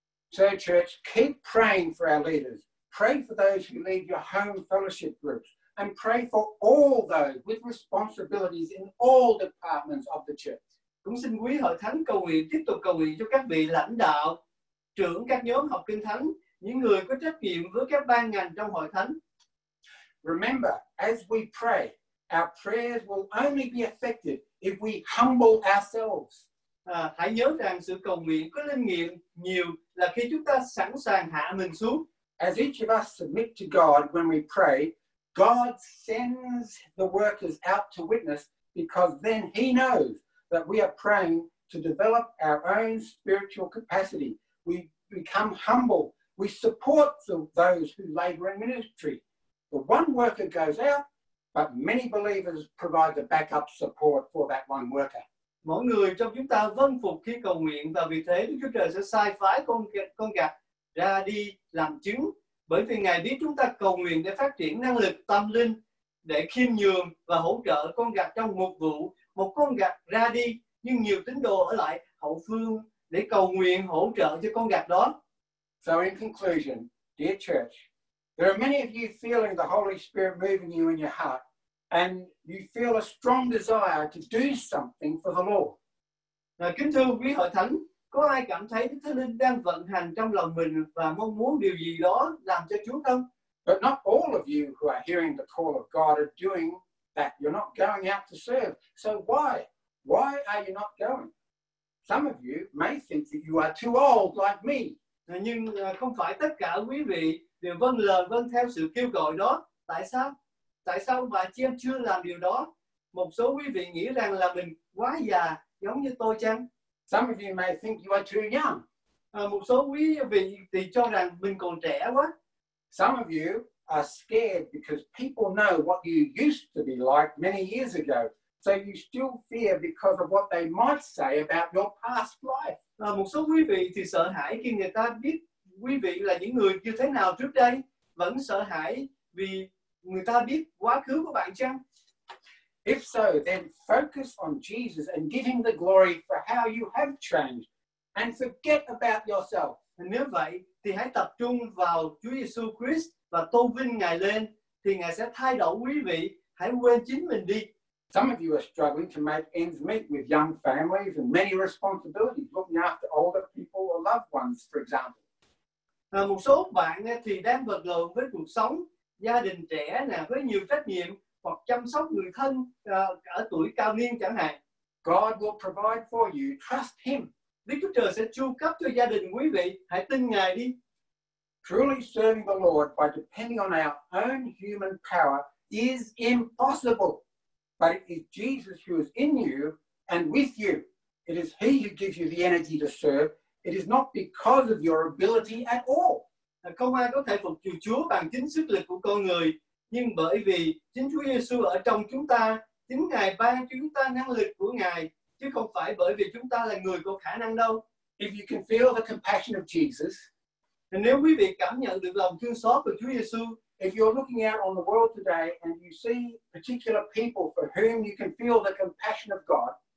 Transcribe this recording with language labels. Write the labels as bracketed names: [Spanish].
[English] So church, keep praying for our leaders. Pray for those who lead your home fellowship groups. And pray for all those with responsibilities in all departments of the church. [Vietnamese] Cũng xin quý hội thánh cầu nguyện, tiếp tục cầu nguyện cho các vị lãnh đạo, trưởng các nhóm học kinh thánh, những người có trách nhiệm với các ban ngành trong hội thánh. [English] Remember, as we pray, our prayers will only be effective if we humble ourselves. [Vietnamese] Hãy nhớ rằng sự cầu nguyện có linh nghiệm nhiều là khi chúng ta sẵn sàng hạ mình xuống. [English] As each of us submit to God when we pray, God sends the workers out to witness because then he knows that we are praying to develop our own spiritual capacity. We become humble. We support those who labor in ministry. The one worker goes out, but many believers provide the backup support for that one worker. [Vietnamese] Mỗi người trong chúng ta vâng phục khi cầu nguyện và vì thế Đức Chúa Trời sẽ sai phái con gặt ra đi làm chứng. Bởi vì Ngài biết chúng ta cầu nguyện để phát triển năng lực tâm linh, để khiêm nhường và hỗ trợ con gặt trong mục vụ. Một con gặt ra đi, nhưng nhiều tín đồ ở lại hậu phương để cầu nguyện hỗ trợ cho con gặt đó. [English] So in conclusion, dear church, there are many of you feeling the Holy Spirit moving you in your heart, and you feel a strong desire to do something for the Lord. [Vietnamese] Now, kính thưa quý hội thánh, có ai cảm thấy Đức Thánh Linh đang vận hành trong lòng mình và mong muốn điều gì đó làm cho Chúa không? [English] But not all of you who are hearing the call of God are doing that. You're not going out to serve. So why? Why are you not going? Some of you may think that you are too old, like me. [Vietnamese] Nhưng không phải tất cả quý vị đều vâng lời, vâng theo sự kêu gọi đó. Tại sao? Tại sao mà chị em chưa làm điều đó? Một số quý vị nghĩ rằng là mình quá già, giống như tôi chăng? [English] Some of you may think you are too young. [Vietnamese] Một số quý vị thì cho rằng mình còn trẻ quá. [English] Some of you are scared because people know what you used to be like many years ago. So you still fear because of what they might say about your past life. [Vietnamese] Một số quý vị thì sợ hãi khi người ta biết quý vị là những người như thế nào trước đây, vẫn sợ hãi vì người ta biết quá khứ của bạn chăng? [English] If so, then focus on Jesus and give him the glory for how you have changed and forget about yourself. [Vietnamese] Nếu vậy, thì hãy tập trung vào Chúa Giêsu Christ và tôn vinh Ngài lên, thì Ngài sẽ thay đổi quý vị, hãy quên chính mình đi. [English] Some of you are struggling to make ends meet with young families and many responsibilities, looking after older people or loved ones, for example. [Vietnamese] Một số bạn thì đang vật lộn với cuộc sống, gia đình trẻ nè, với nhiều trách nhiệm hoặc chăm sóc người thân ở tuổi cao niên chẳng hạn. [English] God will provide for you. Trust Him. [Vietnamese] Đức Chúa Trời sẽ chu cấp cho gia đình quý vị. Hãy tin Ngài đi. [English] Truly serving the Lord by depending on our own human power is impossible. But it is Jesus who is in you and with you. It is He who gives you the energy to serve. It is not because of your ability at all. [Vietnamese] Không ai có thể phục vụ Chúa bằng chính sức lực của con người, nhưng bởi vì chính Chúa Giêsu ở trong chúng ta, chính Ngài ban cho chúng ta năng lực của Ngài, chứ không phải bởi vì chúng ta là người có khả năng đâu. [English] If you can feel the compassion of Jesus, [Vietnamese] and nếu quý vị cảm nhận được lòng thương xót của Chúa Giêsu, [English] if you're looking out on the world today and you see particular people for whom you can feel the compassion of God,